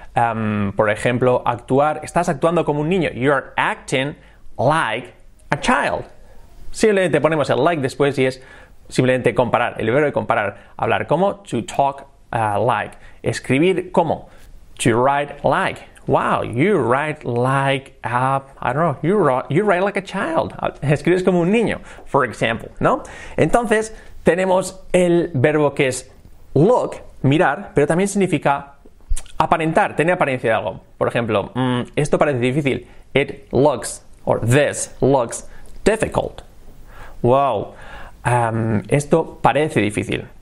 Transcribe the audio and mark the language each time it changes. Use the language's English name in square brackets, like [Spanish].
[Spanish] Por ejemplo, actuar, estás actuando como un niño, [English] you're acting like a child. [Spanish] Simplemente ponemos el like después y es simplemente comparar, el verbo de comparar, hablar como, [English] to talk like, [Spanish] escribir como. [English] To write like. Wow, you write like a, I don't know, you write like a child. [Spanish] Escribes como un niño, [English] for example, [Spanish] ¿no? Entonces, tenemos el verbo que es look, mirar, pero también significa aparentar, tener apariencia de algo. Por ejemplo, esto parece difícil. [English] It looks, or this looks difficult. [Spanish] Wow, esto parece difícil.